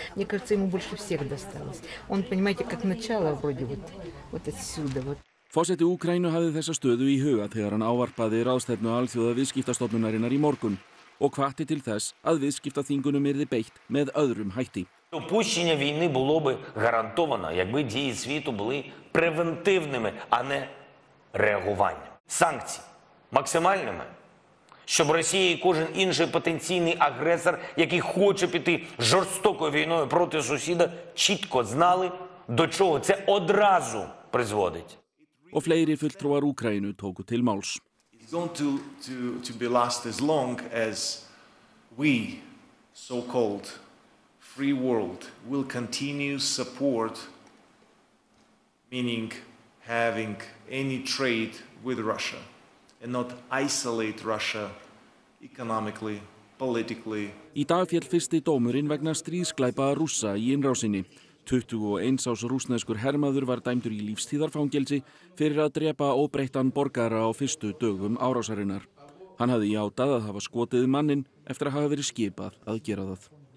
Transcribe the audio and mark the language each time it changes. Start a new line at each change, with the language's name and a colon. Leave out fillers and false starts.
Russian: Мне кажется, ему больше всех досталось. Он, понимаете, как начало вроде вот, вот отсюда вот.
Icelandic: Forseti Úkraínu hafði þessa stöðu í huga þegar hann ávarpaði ráðstefnu alþjóðaviðskiptastofnunarinnar í morgun og hvatti til þess að viðskiptaþingunum yrði beitt með öðrum hætti.
Ukrainian: Упущення війни було б гарантовано, якби дії світу були превентивними, а не реагуванням. Санкції максимальними, щоб Росія і кожен інший потенційний агресор, який хоче піти жорстокою війною проти сусіда, чітко знали, до чого це одразу призводить.
Icelandic: Og fleiri fulltrúar Úkraínu tóku til máls.
English: It's going to be last as long as we, so-called free world, will continue support, meaning having any trade with Russia, and not isolate Russia economically, politically.
Icelandic: Í dag féll fyrsti dómurinn vegna stríðsglæpa Rússa í innrásinni. 21 árs rússneskur hermaður var dæmdur í lífstíðarfangelsi fyrir að drepa óbreyttan borgara á fyrstu dögum árásarinnar. Hann hafði játað að hafa skotið manninn eftir að hafa verið skipað að gera það.